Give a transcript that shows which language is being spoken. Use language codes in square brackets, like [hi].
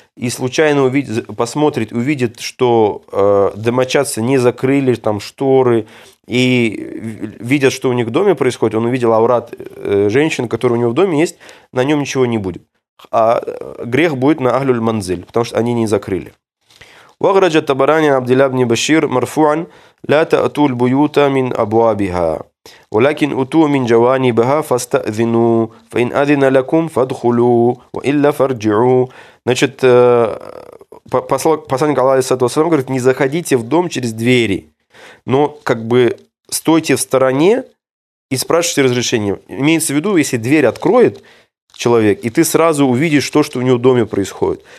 [ru] и случайно увидит, посмотрит, увидит, что домочадцы не закрыли там шторы, и видят, что у них в доме происходит, он увидел аурат женщины, которая у него в доме есть, на нем ничего не будет. А грех будет на Ахлюль Манзиль, потому что они не закрыли. [ar] Вахраджа Табарани Абдилля ибн Башир марфуан ля таатуль буюта мин абуабиха. ولكن أتوا من جوانبها فاستأذنوا فإن أذن لكم فادخلوا وإلا فارجعوا. [ru] Значит, посланник Аллаха Саллаллаху алейхи ва саллям говорит: не заходите в дом через двери, но как бы стойте в стороне и спрашивайте разрешение. Имеется в виду, если дверь откроет человек, и ты сразу увидишь то, что у него в доме происходит.